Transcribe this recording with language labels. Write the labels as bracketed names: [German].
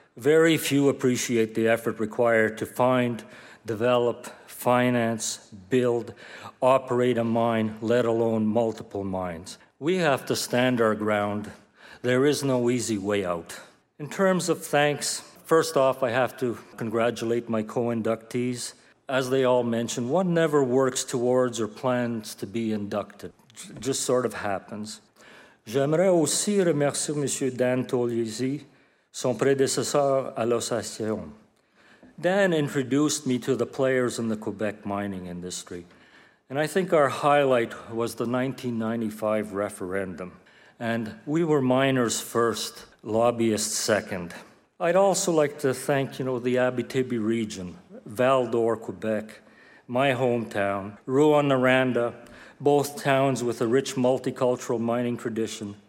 [English] Very few appreciate the effort required to find, develop, finance, build, operate a mine, let alone multiple mines. We have to stand our ground. There is no easy way out. In terms of thanks, first off, I have to congratulate my co-inductees. As they all mentioned, one never works towards or plans to be inducted. Just sort of happens. [French] J'aimerais aussi remercier Monsieur Dan Tolisi, son prédécesseur à l'association. [English] Dan introduced me to the players in the Quebec mining industry. And I think our highlight was the 1995 referendum. And we were miners first, lobbyists second. I'd also like to thank, you know, the Abitibi region, Val-d'Or, Quebec, my hometown, Rouyn-Noranda, both towns with a rich multicultural mining tradition.